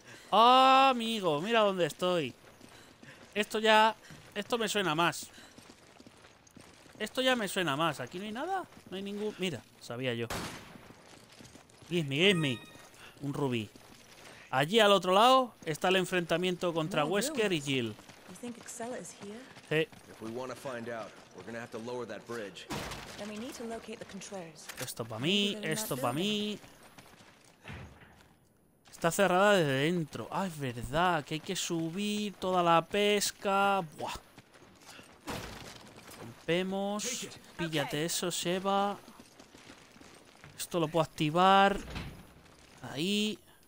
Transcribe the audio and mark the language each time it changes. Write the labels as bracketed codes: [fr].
[es] ¡Ah, amigo! Mira dónde estoy. Esto ya... Esto me suena más. Esto ya me suena más. ¿Aquí no hay nada? No hay ningún... Mira, sabía yo. Give me, give me. Un rubí. Allí al otro lado está el enfrentamiento contra Wesker y Jill. [en] You think Excella is here? Hey. If we want to find out, we're gonna have to lower that bridge. Then we need to locate the controls. [es] Esto para mí, esto para mí. Está cerrada desde dentro. Ah, es verdad, que hay que subir toda la pesca. Buah. Rompemos. Píllate eso, Seba. Esto lo puedo activar. Ahí.